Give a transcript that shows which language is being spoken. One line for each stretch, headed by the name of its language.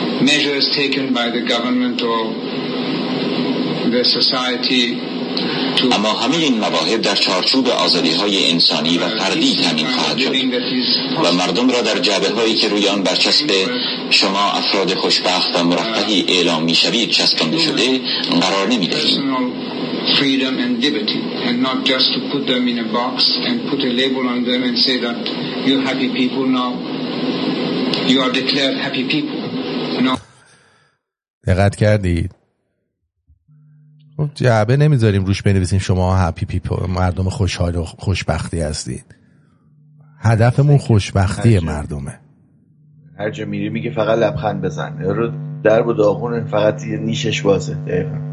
English: Measures taken by the government or the society.
Persian: اما همه این مواهب در چارچوب آزادی‌های انسانی و فردی تامین خواهد شد و مردم را در جبهه‌هایی که روی آن برچسب شما افراد خوشبخت و مرفهی اعلام می‌شوید چسبانده شده قرار نمی‌دهیم.
English: Freedom and liberty and not just to put them in a box and put a label on them and say that you happy people now you are declared happy people.
Persian: دقت کردید؟ خب جعبه نمیذاریم روش بنویسیم شما
English: happy people,
Persian: مردم خوشحال و خوشبختی هستید. هدفمون خوشبختی مردمه. هر جا میری میگه فقط لبخند بزن، رو درب و داغون فقط یه نیشش بازه.